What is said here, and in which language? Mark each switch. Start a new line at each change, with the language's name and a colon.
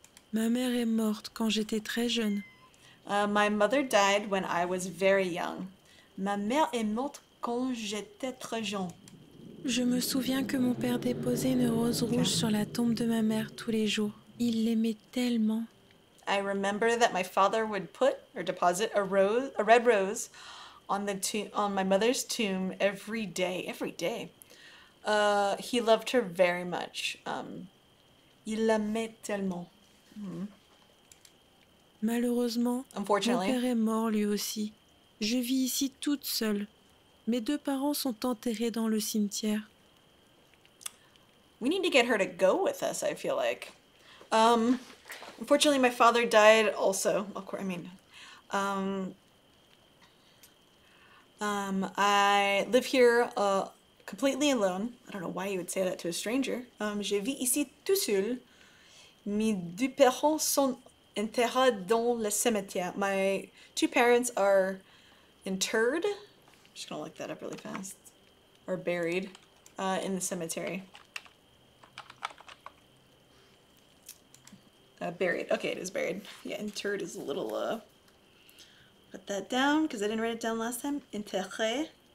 French: Ma mère est morte quand j'étais très jeune.
English: My mother died when I was very young.
French: Ma mère est morte quand j'étais très jeune. Je me souviens que mon père déposait une rose rouge sur la tombe de ma mère tous les jours. Il l'aimait tellement.
English: I remember that my father would put or deposit a red rose on my mother's tomb every day. He loved her very much.
French: Il l'aimait tellement. Malheureusement,
English: Unfortunately.
French: Mon père est mort lui aussi. Je vis ici toute seule. Mes deux parents sont enterrés dans le cimetière.
English: We need to get her to go with us, I feel like. Unfortunately, my father died also. Of course, I mean, I live here completely alone. I don't know why you would say that to a stranger.
French: Je vis ici tout seul. Mes deux parents sont enterrés dans le cimetière.
English: My two parents are interred. I'm just gonna look that up really fast. Are buried in the cemetery. Buried. Okay, it is buried. Yeah, interred is a little, put that down, because I didn't write it down last time. Enterré.